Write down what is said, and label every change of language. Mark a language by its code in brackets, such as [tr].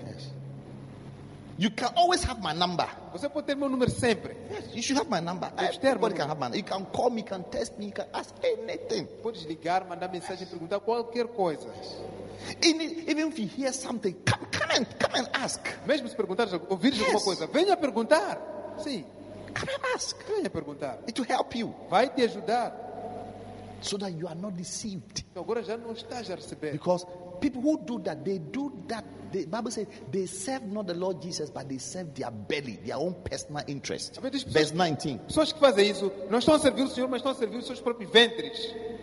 [en] Yes. You can always have my number. [pt] Você pode ter meu número sempre. [en] Yes, you should have my number. Everybody can have my number. You can call me, you can text me, you can ask anything. [pt] Pode ligar, mandar mensagem, perguntar qualquer coisa. [en] Even if you hear something, come and ask. [pt] Mesmo se perguntar, ouvir alguma coisa, venha perguntar. Sim. [en] Come and ask. [pt] Venha perguntar. [en] It will help you. [pt] Vai te ajudar. [en] So that you are not deceived. [pt] Agora já não estás a receber. [en] Because people who do that, they do that. The Bible says they serve not the Lord Jesus, but they serve their belly, their own personal interest. Verse 19. [pt] Pessoas que fazem isso não estão a servir o Senhor, mas estão a servir os seus próprios ventres.